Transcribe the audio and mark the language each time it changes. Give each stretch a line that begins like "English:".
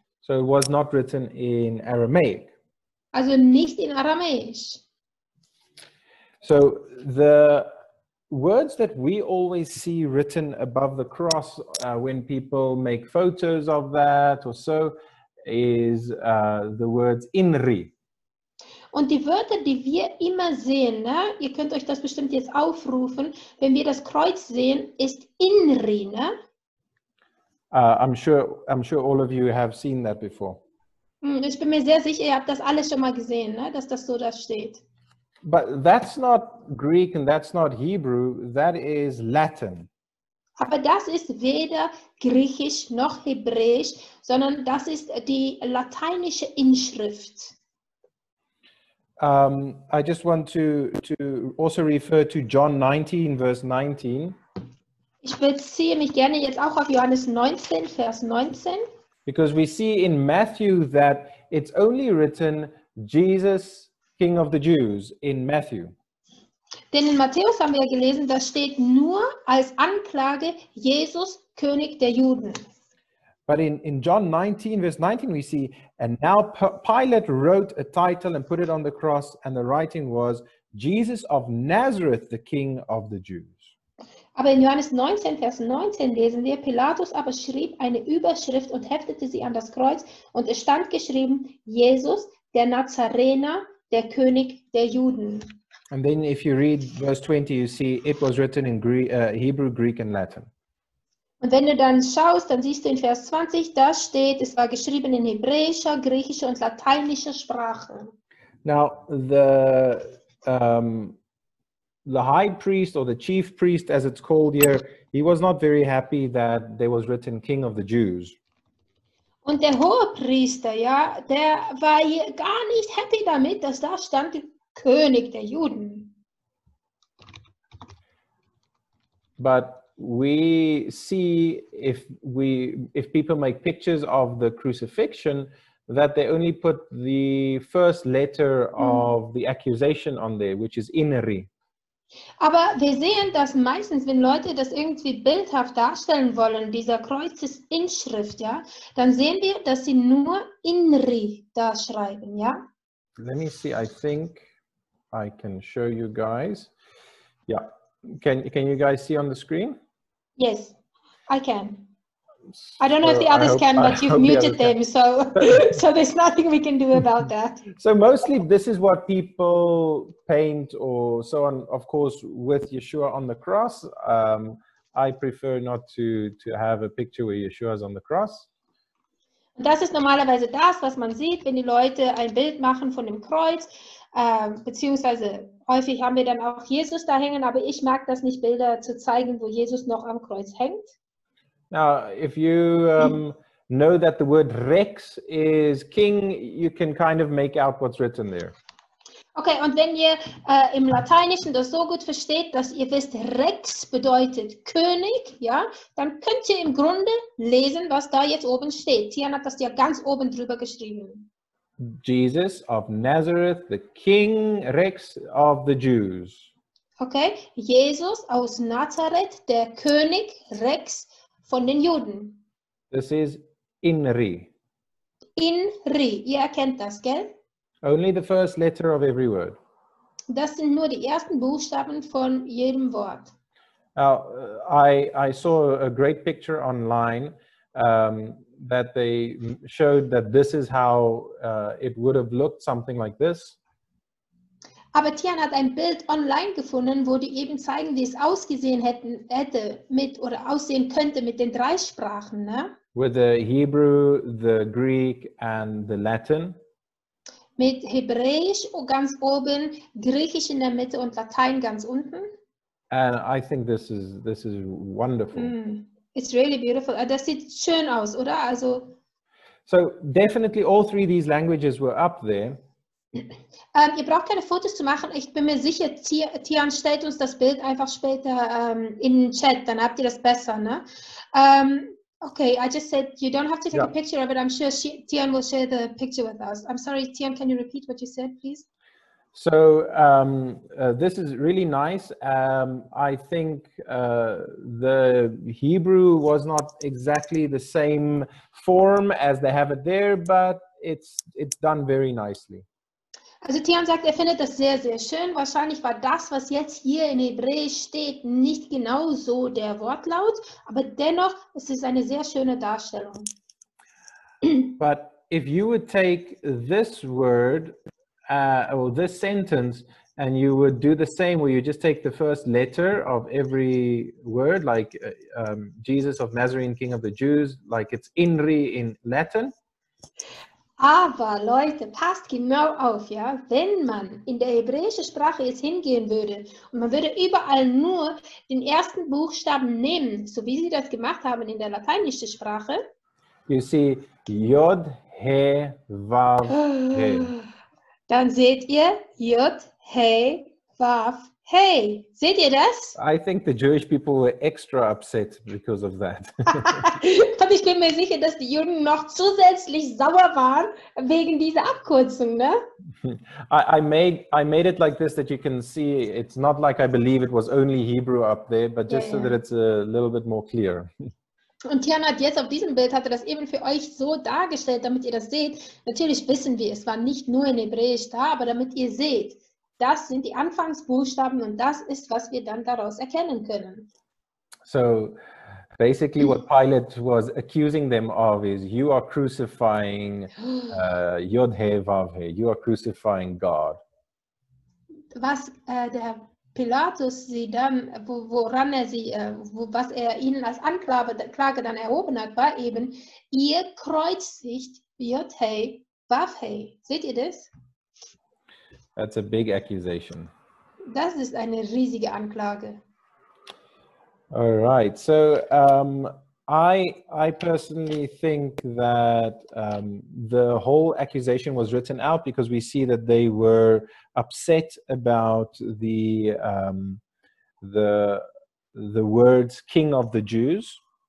English: So it was not written in Aramaic.
German: Also nicht in Aramäisch.
English: So the words that we always see written above the cross when people make photos of that or so is the words Inri.
German: Und die Wörter, die wir immer sehen, ne? Ihr könnt euch das bestimmt jetzt aufrufen, wenn wir das Kreuz sehen, ist Inri, ne?
English: I'm sure all of you have seen that before.
German: Ich bin mir sehr sicher, ihr habt das alles schon mal gesehen, ne? Dass das so da steht.
English: But that's not Greek and that's not Hebrew, that is Latin.
German: Aber das ist weder Griechisch noch Hebräisch, sondern das ist die lateinische Inschrift.
English: I just want to also refer to John 19, verse 19.
German: Ich beziehe mich gerne jetzt auch auf Johannes 19, Vers 19.
English: Because we see in Matthew that it's only written Jesus, King of the Jews, in Matthew.
German: Denn in Matthäus haben wir gelesen, das steht nur als Anklage Jesus, König der Juden.
English: But in John 19, verse 19, we see, and now Pilate wrote a title and put it on the cross, and the writing was, Jesus of Nazareth, the King of the Jews.
German: Aber in Johannes 19, Vers 19 lesen wir, Pilatus aber schrieb eine Überschrift und heftete sie an das Kreuz, und es stand geschrieben, Jesus, der Nazarener, der König der Juden.
English: And then if you read verse 20, you see it was written in Hebrew, Greek and Latin.
German: Und wenn du dann schaust, dann siehst du in Vers 20, da steht, es war geschrieben in hebräischer, griechischer und lateinischer Sprache.
English: Now, the high priest or the chief priest, as it's called here, he was not very happy that there was written King of the Jews.
German: Und der hohe Priester, ja, der war hier gar nicht happy damit, dass da stand, König der Juden.
English: But we see if people make pictures of the crucifixion, that they only put the first letter of the accusation on there, which is Inri.
German: Aber wir sehen, dass meistens, wenn Leute das irgendwie bildhaft darstellen wollen, dieser Kreuzesinschrift, ja, dann sehen wir, dass sie nur Inri da schreiben, ja.
English: Let me see, I think I can show you guys. Yeah, can you guys see on the screen? Yes, I can. I don't know if the others can, but you've muted them, so there's nothing we can do about that. So mostly this is what people paint or so on, of course, with Yeshua on the cross. I prefer not to have a picture where Yeshua is on the cross.
German: Das ist normalerweise das, was man sieht, wenn die Leute ein Bild machen von dem Kreuz. Beziehungsweise häufig haben wir dann auch Jesus da hängen, aber ich mag das nicht, Bilder zu zeigen, wo Jesus noch am Kreuz hängt.
English: Now, if you know that the word Rex is King, you can kind of make out what's written there.
German: Okay, und wenn ihr im Lateinischen das so gut versteht, dass ihr wisst, Rex bedeutet König, ja, dann könnt ihr im Grunde lesen, was da jetzt oben steht. Tian hat das ja ganz oben drüber geschrieben.
English: Jesus of Nazareth, the King Rex of the Jews.
German: Okay, Jesus aus Nazareth, der König Rex von den Juden.
English: This is Inri.
German: Inri, ihr erkennt das, gell?
English: Only the first letter of every word.
German: Das sind nur die ersten Buchstaben von jedem Wort.
English: I saw a great picture online that they showed that this is how it would have looked, something like this.
German: Aber Tian hat ein Bild online gefunden, wo die eben zeigen, wie es ausgesehen hätte mit oder aussehen könnte mit den drei Sprachen, ne?
English: With the Hebrew, the Greek and the Latin.
German: Mit Hebräisch ganz oben, Griechisch in der Mitte und Latein ganz unten.
English: And I think this is wonderful. Mm. It's really beautiful.
German: Das sieht schön aus, oder?
English: Also, so definitely all three of these languages were up there.
German: Ihr braucht keine Fotos zu machen. Ich bin mir sicher, Tian stellt uns das Bild einfach später in den Chat. Dann habt ihr das besser, ne?
English: Okay, I just said you don't have to take a picture, but I'm sure Tian will share the picture with us. I'm sorry, Tian, can you repeat what you said, please? So this is really nice. I think the Hebrew was not exactly the same form as they have it there, but it's done very nicely.
German: Also Tian sagt, er findet das sehr, sehr schön. Wahrscheinlich war das, was jetzt hier in Hebräisch steht, nicht genau so der Wortlaut, aber dennoch, es ist eine sehr schöne Darstellung.
English: But if you would take this word or this sentence, and you would do the same where you just take the first letter of every word, like Jesus of Nazarene, King of the Jews, like it's Inri in Latin.
German: Aber Leute, passt genau auf, ja? Wenn man in der hebräischen Sprache jetzt hingehen würde und man würde überall nur den ersten Buchstaben nehmen, so wie sie das gemacht haben in der lateinischen Sprache.
English: You see, Yod, He, Vav, He.
German: Dann seht ihr Yod, He, Vav, He. Seht ihr das?
English: I think the Jewish people were extra upset because of that.
German: Und ich bin mir sicher, dass die Juden noch zusätzlich sauer waren wegen dieser Abkürzung, ne?
English: I made it like this that you can see it's not like I believe it was only Hebrew up there, but just so that it's a little bit more clear.
German: Und Tian hat jetzt auf diesem Bild, hat er das eben für euch so dargestellt, damit ihr das seht. Natürlich wissen wir, es war nicht nur in Hebräisch da, aber damit ihr seht, das sind die Anfangsbuchstaben und das ist, was wir dann daraus erkennen können.
English: So, basically what Pilate was accusing them of is, you are crucifying Yod-Heh-Vav-Heh, you are crucifying God.
German: Was der Pilatus sie dann, woran er sie, was er ihnen als Anklage dann erhoben hat, war eben, ihr kreuzigt Yod-Heh-Vav-Heh. Seht ihr das?
English: That's a big accusation.
German: Das ist eine riesige Anklage.
English: All right. So I personally think that the whole accusation was written out because we see that they were upset about the words King of the Jews.